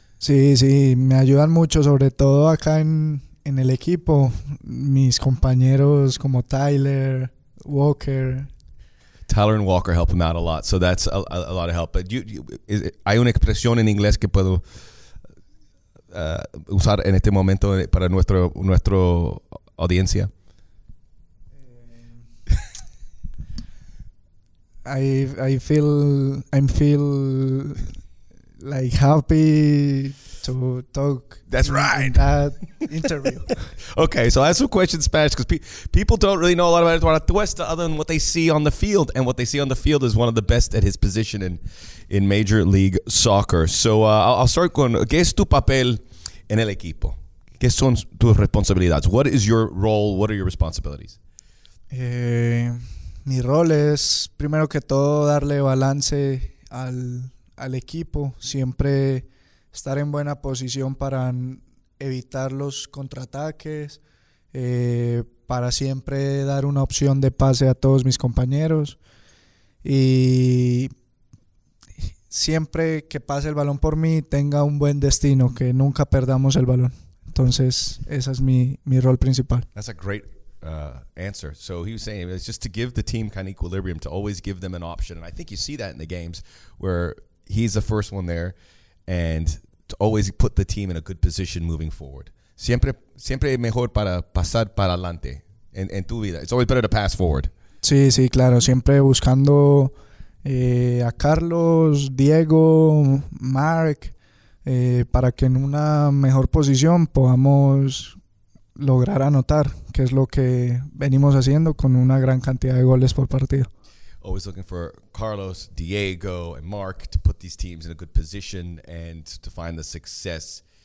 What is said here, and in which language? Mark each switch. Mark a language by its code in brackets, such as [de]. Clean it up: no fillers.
[es] Sí, sí, me ayudan mucho, sobre todo acá en el equipo, mis compañeros como Tyler, Walker. [en] Tyler and Walker help him out a lot, so that's a lot of help. [es] But hay una expresión en inglés que puedo usar en este momento para nuestro audiencia. [en] I feel like happy to talk. That's right. In that interview. Okay, so I have some questions in Spanish because people don't really know a lot about Edward Atuesta other than what they see on the field, and what they see on the field is one of the best at his position in Major League Soccer. So I'll start [es] con ¿qué es tu papel en el equipo? ¿Qué son tus responsabilidades? [en] What is your role? What are your responsibilities? [es] Mi rol es, primero que todo, darle balance al equipo. Siempre estar en buena posición para evitar los contraataques, para siempre dar una opción de pase a todos mis compañeros. Y siempre que pase el balón por mí, tenga un buen destino, que nunca perdamos el balón. Entonces, ese es mi rol principal. [en] That's a great answer. So he was saying it's just to give the team kind of equilibrium, to always give them an option. And I think you see that in the games where he's the first one there, and to always put the team in a good position moving forward. [es] Siempre mejor para pasar para adelante en tu vida. [en] It's always better to pass forward. [es] Sí, sí, claro. Siempre buscando a Carlos, Diego, Mark, para que en una mejor posición podamos lograr anotar, que es lo que venimos haciendo con una gran cantidad de goles por partido. [en] Always looking for Carlos, Diego, and Mark to put these teams in a good position and to find the success.